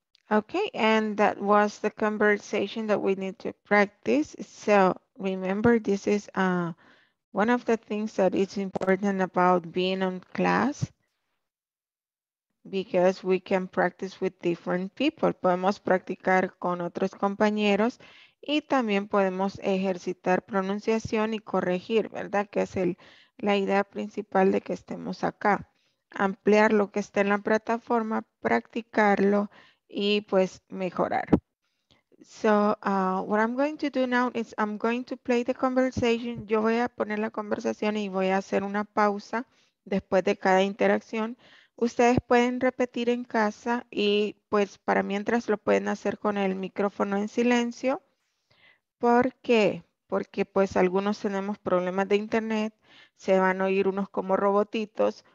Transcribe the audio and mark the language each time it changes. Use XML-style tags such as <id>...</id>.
<en>Okay, and that was the conversation that we need to practice. So remember, this is one of the things that is important about being on class, because we can practice with different people.</en> <es>Podemos practicar con otros compañeros y también podemos ejercitar pronunciación y corregir, ¿verdad? Que es la idea principal de que estemos acá. Ampliar lo que está en la plataforma, practicarlo, y pues mejorar.</es> <en>So, what I'm going to do now is I'm going to play the conversation.</en> <es>Yo voy a poner la conversación y voy a hacer una pausa después de cada interacción. Ustedes pueden repetir en casa y pues para mientras lo pueden hacer con el micrófono en silencio. ¿Por qué? Porque pues algunos tenemos problemas de internet, se van a oír unos como robotitos.</es>